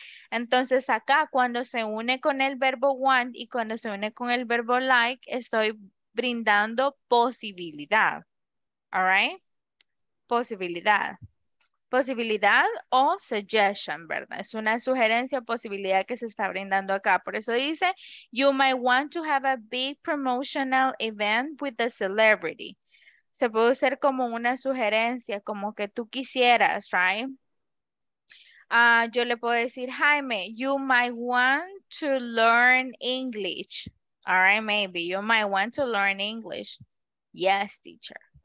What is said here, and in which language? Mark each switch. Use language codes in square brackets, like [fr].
[es] Entonces acá cuando se une con el verbo want y cuando se une con el verbo like, estoy brindando posibilidad, alright, posibilidad. Posibilidad o suggestion, ¿verdad? Es una sugerencia o posibilidad que se está brindando acá. Por eso dice, [en] you might want to have a big promotional event with a celebrity. [es] Se puede usar como una sugerencia, como que tú quisieras, right? Yo le puedo decir, [en] Jaime, you might want to learn English. All right, maybe. You might want to learn English. Yes, teacher.